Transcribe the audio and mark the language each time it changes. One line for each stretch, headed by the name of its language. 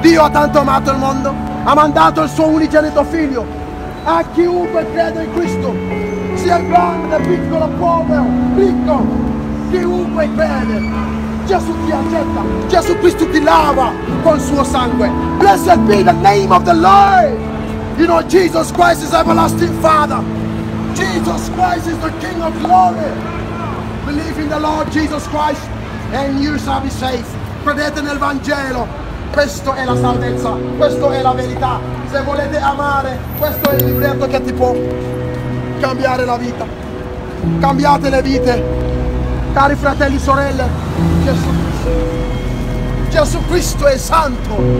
Italian: Dio ha tanto amato il mondo, ha mandato il suo unigenito figlio. A chiunque crede in Cristo, sia grande, piccolo, povero, ricco, chiunque crede, Gesù ti accetta. Gesù Cristo ti lava col suo sangue.
English: Blessed be the name of the Lord. You know, Jesus Christ is everlasting Father. Jesus Christ is the King of glory. Believe in the Lord Jesus Christ and you shall be saved.
Italian: Credete nel Vangelo. Questa è la salvezza, questa è la verità. Se volete amare, questo è il libretto che ti può cambiare la vita. Cambiate le vite. Cari fratelli e sorelle, Gesù Cristo è santo.